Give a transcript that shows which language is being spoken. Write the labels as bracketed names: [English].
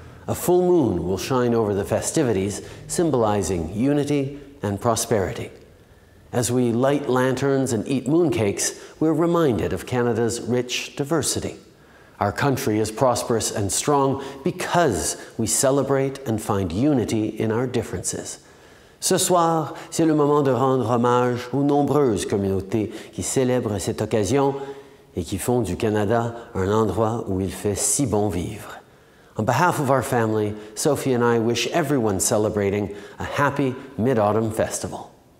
[English] A full moon will shine over the festivities, symbolizing unity and prosperity. As we light lanterns and eat mooncakes, we're reminded of Canada's rich diversity. Our country is prosperous and strong because we celebrate and find unity in our differences. [French] Ce soir, c'est le moment de rendre hommage aux nombreuses communautés qui célèbrent cette occasion et qui font du Canada un endroit où il fait si bon vivre. [English] On behalf of our family, Sophie and I wish everyone celebrating a happy Mid-Autumn Festival.